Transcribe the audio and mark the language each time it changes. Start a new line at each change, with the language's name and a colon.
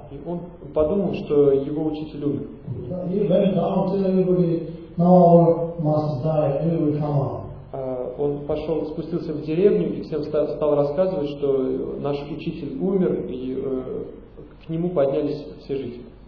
Russian: И он подумал, что его учитель умер.
English: He went down, tell everybody, now our master died. Everybody come out.
Russian: Он пошел, спустился в деревню и всем стал рассказывать, что наш учитель умер, и к нему поднялись все жители.